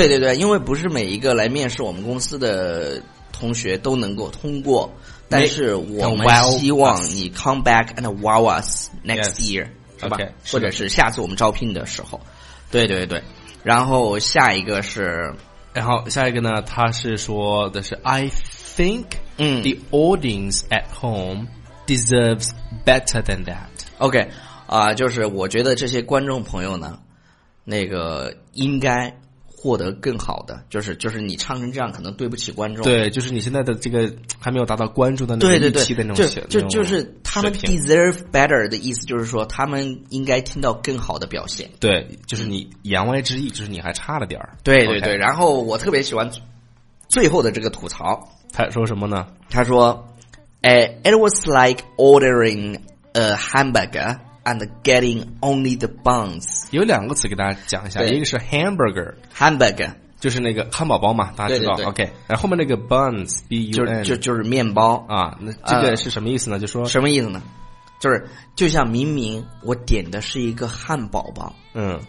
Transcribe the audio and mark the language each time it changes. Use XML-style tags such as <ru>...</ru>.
<zh>觉。对对对，因为不是每一个来面试我们公司的同学都能够通过，但是我们希望你</zh> <en>come back and wow us next year，</en> <zh>是吧？</zh> <en>Yes， okay，</en> <zh>或者是下次我们招聘的时候，对对对。然后下一个是，然后下一个呢？他是说的是</zh> <en>I think。嗯，The audience at home deserves better than that.</en> <zh>OK， 啊、就是我觉得这些观众朋友呢，那个应该获得更好的，就是你唱成这样，可能对不起观众。对，就是你现在的这个还没有达到观众的那个预期的那种水平。对对对，就是他们 deserve better 的意思，就是说他们应该听到更好的表现。对，就是你言外之意，就是你还差了点儿。对对对，</zh> <en>okay。</en> <zh>然后我特别喜欢最后的这个吐槽。他说什么呢？他说</zh> <en>It was like ordering a hamburger and getting only the buns。</en> <zh>有两个词给大家讲一下，一个是 hamburger，</zh> <en>hamburger</en> <zh>就是那个汉堡包嘛，大家知道。对对对， OK， 然后后面那个 buns B-U-N 就是面包啊。那这个是什么意思呢？就说什么意思呢？就是就像明明我点的是一个汉堡包，嗯，</zh>